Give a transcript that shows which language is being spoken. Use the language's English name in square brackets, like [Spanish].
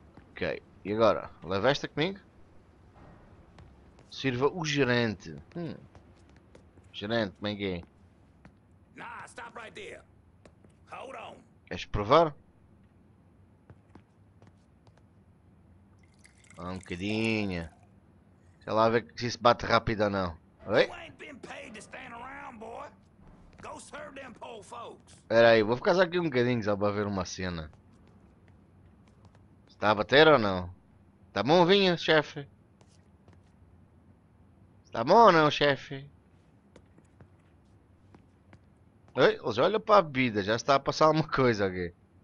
[Portuguese] Ok, e agora? Leva esta comigo? Sirva o gerente. Gerente, como é que é? [English] Nah, stop right there. Hold on. [Portuguese] Queres provar? Ah, um bocadinho. Deixa lá ver se isso bate rápido ou não. Oi? [English] You ain't been paid to stand around, boy. Go serve them poor folks. [Portuguese] Espera aí, vou ficar aqui um bocadinho só para ver uma cena. Está a bater ou não? Está bom o vinho, chefe? Está bom ou não, chefe? Ei, eles olham para a bebida, já está a passar alguma coisa aqui.